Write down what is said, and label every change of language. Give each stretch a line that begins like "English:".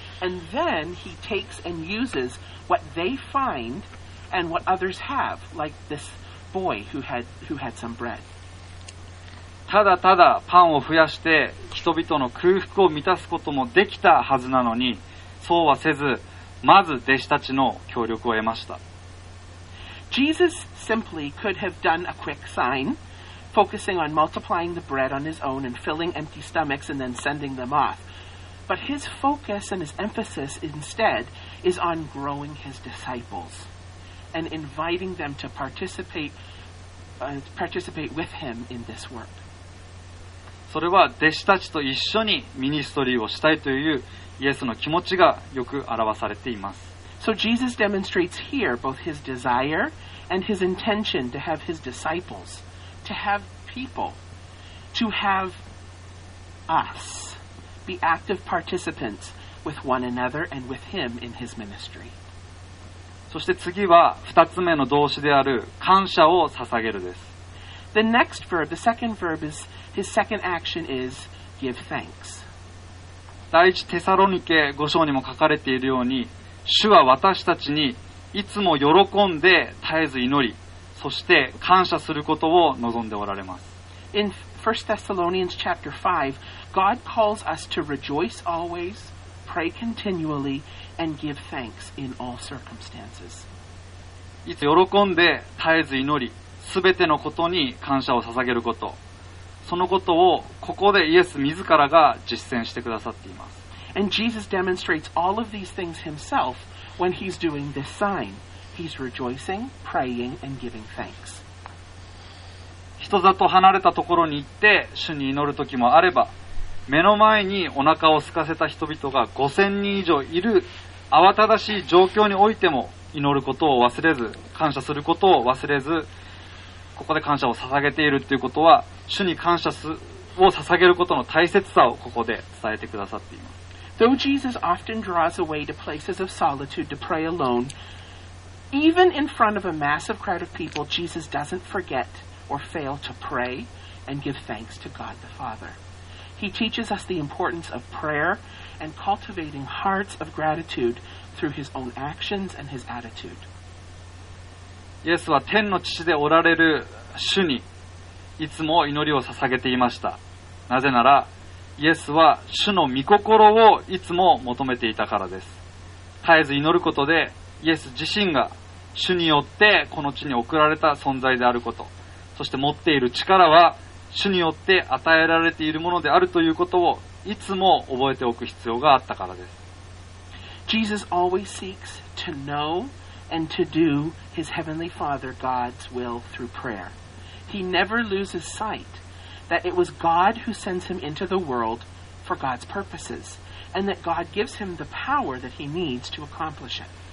English: And then he takes and uses what they find and what others have, like this boy who had some bread.
Japanese: ただただパンを増やして人々の空腹を満たすこともできたはずなのに、そうはせず、まず弟子たちの協力を得ました。
English: Jesus simply could have done a quick sign, focusing on multiplying the bread on his own and filling empty stomachs and then sending them off. But his focus and his emphasis instead is on growing his disciples. And inviting them to participate with him in this work.
Japanese: それは弟子たちと一緒にミニストリーをしたいというイエスの気持ちがよく表されています。
English: So Jesus demonstrates here both his desire and his intention to have his disciples, to have people, to have us be active participants with one another and with him in his ministry.
Japanese: そして次は二つ目の動詞である感謝を捧げるです。
English: The next verb, the second verb is, his second action is give thanks.
Japanese: 第一テサロニケ5章にも書かれているように、主は私たちにいつも喜んで絶えず祈り、そして感謝することを望んでおられます。
English: In 1 Thessalonians chapter 5, God calls us to rejoice always, pray continually,And give thanks in all circumstances.
Japanese: いつ喜んで絶えず祈り、すべてのことに感謝を捧げること、そのことをここでイエス自らが実践してくださっています。
English: And Jesus demonstrates all of these things himself when he's doing this sign. He's rejoicing, praying, and giving thanks.
Japanese: 人里離れたところに行って主に祈る時もあれば、目の前にお腹を空かせた人々が5000人以上いる慌ただしい状況においても祈ることを忘れず、感謝することを忘れず、ここで感謝を捧げているということは、主に感謝を捧げることの大切さをここで伝えてくださっています。
English: Though Jesus often draws away to places of solitude to pray alone, even in front of a massive crowd of people, Jesus doesn't forget or fail to pray and give thanks to God the Father. He teaches us the importance of prayer and cultivating hearts of gratitude through his own actions and his attitude.
Japanese: イエスは天の父でおられる主にいつも祈りを捧げていました。なぜならイエスは主の御心をいつも求めていたからです。絶えず祈ることでイエス自身が主によってこの地に送られた存在であること、そして持っている力は主によって与えられているものであるということをいつも覚えておく必要があったからです。
English: Jesus always seeks to know and to do his heavenly Father God's will through prayer. He never loses sight that it was God who sends him into the world for God's purposes, and that God gives him the power that he needs to accomplish it.